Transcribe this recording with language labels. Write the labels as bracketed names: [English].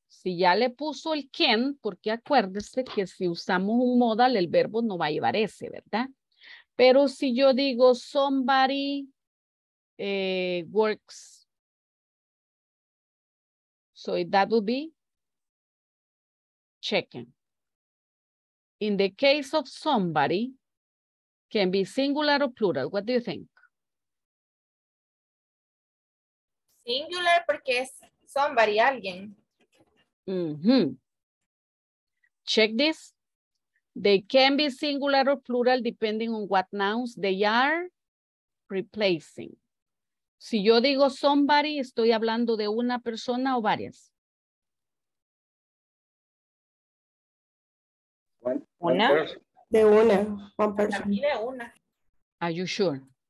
[Spanish] Si ya le puso el can, porque acuérdese que si usamos un modal, el verbo no va a llevar ese, ¿verdad? Pero si yo digo [English] somebody works, so that would be checking. In the case of somebody, can be singular or plural. What do you think? [Spanish] Singular porque es somebody, alguien. [English] Mm-hmm. Check this. They can be singular or plural depending on what nouns they are replacing. [Spanish] Si yo digo somebody, estoy hablando de una persona o varias. [English] One person. Are you sure?